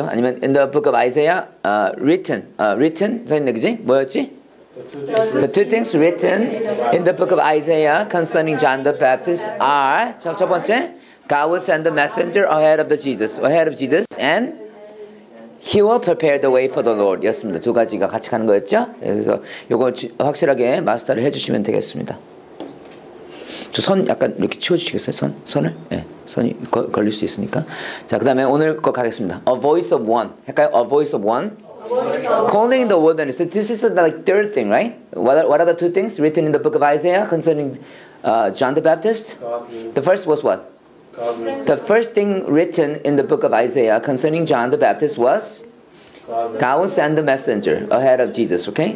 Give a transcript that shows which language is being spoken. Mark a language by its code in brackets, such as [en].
[ko] 아니면 [en] in the book of Isaiah written [ko] 써있네 그지? 뭐였지? [en] The two things written in the book of Isaiah concerning John the Baptist are [ko] 첫 번째 [en] God will send the messenger ahead of Jesus, and he will prepare the way for the Lord. [ko] 였습니다. 두 가지가 같이 가는 거였죠? 그래서 이거 확실하게 마스터를 해주시면 되겠습니다. 저 손 약간 이렇게 치워주시겠어요? 손을? 예, 네. 손이 걸릴 수 있으니까. 자, 그 다음에 오늘 거 가겠습니다. [en] A voice of one. [ko] 할까요? [en] A voice of one. Calling the wilderness. So this is the like, third thing, right? What are the two things written in the book of Isaiah concerning John the Baptist? The first was what? The first thing written in the book of Isaiah concerning John the Baptist was God will send the messenger ahead of Jesus, okay?